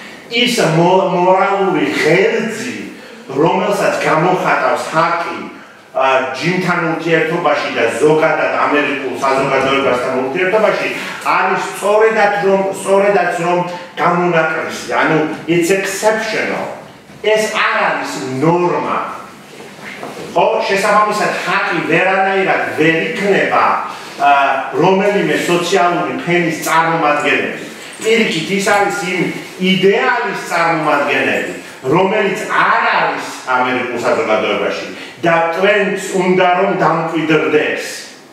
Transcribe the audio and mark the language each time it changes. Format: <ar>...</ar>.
<ka>ის მორალური ღერძი, რომელსაც გამოხატავს ჰაკი ჯიმთან ურთიერთობაში და ზოგადად ამერიკულ საზოგადოებასთან ურთიერთობაში, არის სწორედაც რომ გამონაკლისი.</ka> <en>ანუ it's exceptional.</en> <ka>ეს არ არის ნორმა. ხო, შესაბამისად ჰაკი ვერანაირად ვერ იქნება რომელიმე სოციალური ფენის წარმომადგენელი. პირიქით, ის არის იმ იდეალის წარმომადგენელი, რომელიც არ არის ამერიკულ საზოგადოებაში და ტვენს უნდა რომ დამკვიდრდეს.</ka>